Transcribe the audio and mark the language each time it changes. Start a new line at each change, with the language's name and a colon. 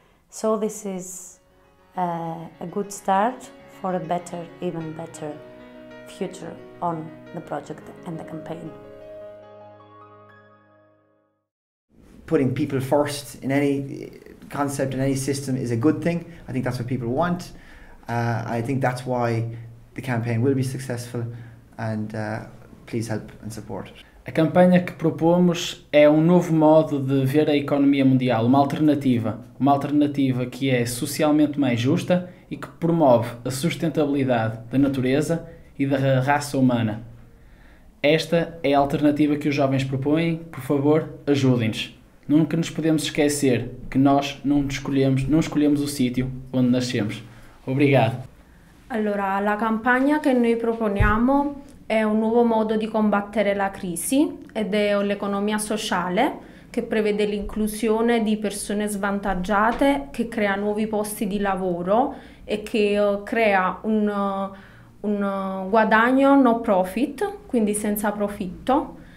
English: So this is a good start for a better, even better future on the project and the campaign. Putting people first in any concept, in any system, is a good thing. I think that's what people want. I think that's why the campaign will be successful. And please help and support.
Portuguese: A campanha que propomos é um novo modo de ver a economia mundial, uma alternativa que é socialmente mais justa e que promove a sustentabilidade da natureza e da raça humana. Esta é a alternativa que os jovens propõem. Por favor, ajudem-nos. Nunca nos podemos esquecer que nós não escolhemos o sítio onde nascemos. Obrigado.
Italian: Allora, la campagna che noi proponiamo è un nuovo modo di combattere la crisi ed è l'economia sociale, che prevede l'inclusione di persone svantaggiate, che crea nuovi posti di lavoro e che crea un guadagno no profit, quindi senza profitto.